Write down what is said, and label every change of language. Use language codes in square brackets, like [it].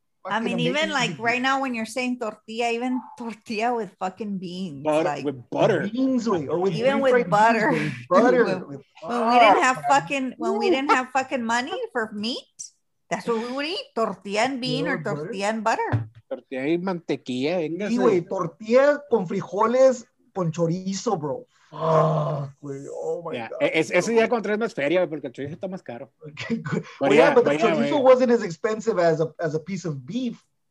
[en] I mean, even like right now when you're saying tortilla, even tortilla with fucking beans, with butter, beans, or with even with butter, beans, butter. When we didn't have fucking money for meat. That's what we would eat, tortilla and bean, or tortilla and butter. [es] Tortilla y mantequilla, venga. Sí, güey, tortilla con frijoles con chorizo, bro. [en] Ah, güey, oh my [es] God. Ese día contra es más feria, porque el chorizo está más caro. [en] Okay, good. But the chorizo wasn't as expensive as a piece of beef.